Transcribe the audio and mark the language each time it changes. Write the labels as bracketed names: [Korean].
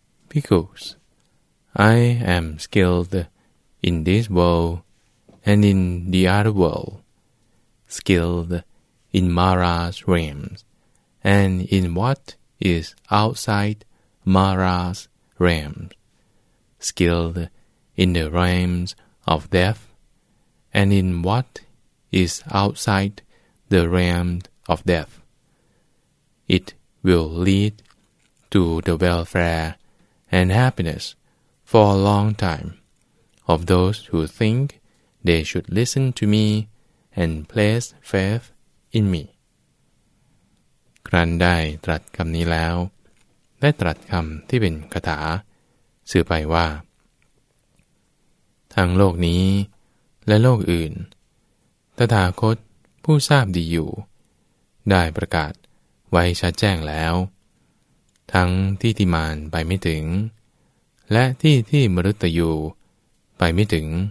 [English] ภิกขุ I am skilled in this world and in the other world, skilled in Mara's realms and in what is outside Mara's realms, skilled in the realms of death and in what is outside the realm of death. It will lead to the welfare and happinessFor a long time, of those who think they should listen to me and place faith in me. [Thai] ครั้นได้ตรัสคำนี้แล้วได้ตรัสคำที่เป็นคาถาสื่อไปว่าทั้งโลกนี้และโลกอื่นตถาคตผู้ทราบดีอยู่ได้ประกาศไว้ชัดแจ้งแล้วทั้งที่ติมานไปไม่ถึงและที่ที่มฤตยูไปไม่ถึง